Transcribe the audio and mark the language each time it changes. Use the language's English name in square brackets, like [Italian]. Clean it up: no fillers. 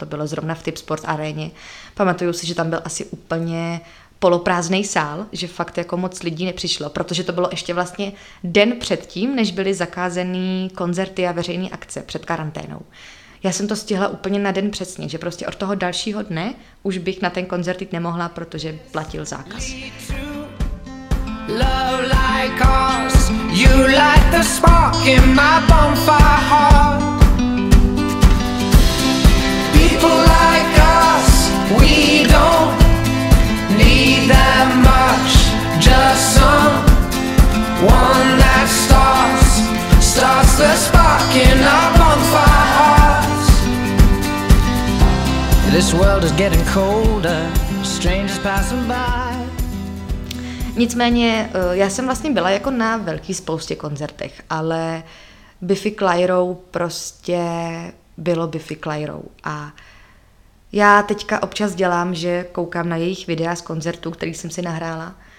[Czech] To bylo zrovna v Tipsport aréně. Pamatuju si, že tam byl asi úplně poloprázdný sál, že fakt jako moc lidí nepřišlo, protože to bylo ještě vlastně den předtím, než byly zakázané koncerty a veřejné akce před karanténou. Já jsem to stihla úplně na den přesně, že prostě od toho dalšího dne už bych na ten koncert jít nemohla, protože platil zákaz. [English] Low like us, you light the spark in my bonfire heart. People like us, we don't need that much, just some one that starts the spark in our bonfire hearts. This world is getting colder, strangers passing by. [Czech] Nicméně, já jsem vlastně byla jako na velký spoustě koncertech, ale Biffy Clyro prostě bylo Biffy Clyro. A já teďka občas dělám, že koukám na jejich videa z koncertu, který jsem si nahrála.